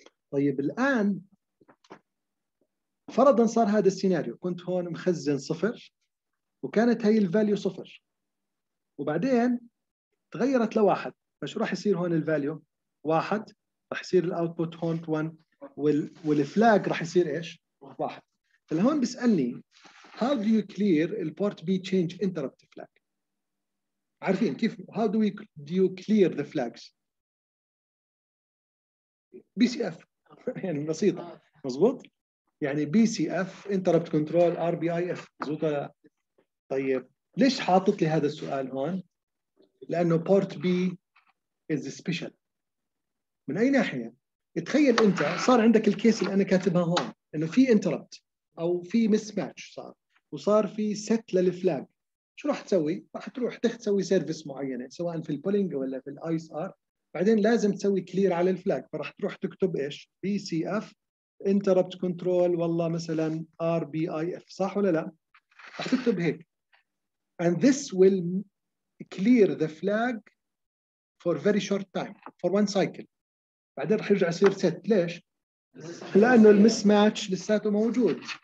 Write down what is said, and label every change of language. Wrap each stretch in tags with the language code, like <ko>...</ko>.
<ar>طيب الآن فرضا صار هذا السيناريو، كنت هون مخزن صفر وكانت هاي الفاليو صفر وبعدين تغيرت لواحد، فشو راح يصير هون الفاليو؟ واحد. راح يصير الاوتبوت هون 1 والفلاج راح يصير ايش؟ واحد. فلهون بيسألني</ar> <en>How do you clear the port B change interrupt flag؟</en> <ar>عارفين كيف؟</ar> <en>How do we do you clear the flags؟</en> <ar>BCF يعني بسيطة، مظبوط؟ يعني BCF Interrupt Control RBIF زوطة. طيب ليش حاطط لي هذا السؤال هون؟ لأنه</ar> <en>port B is special.</en> <ar>من أي ناحية؟ تخيل أنت صار عندك الكيس اللي أنا كاتبها هون إنه في interrupt أو في mismatch صار وصار في set للفلاج، شو راح تسوي؟ راح تروح تسوي سيرفيس معينة سواء في البولينج ولا في الISR، بعدين لازم تسوي كلير على الفلاج، فراح تروح تكتب إيش؟ BCF interrupt control والله مثلا RBIF، صح ولا لا؟ راح تكتب هيك.</ar> <en>And this will clear the flag for very short time, for one cycle.</en> <ar>بعدين رح يرجع يصير set. ليش؟ لأنه المسماتش لساته موجود.</ar>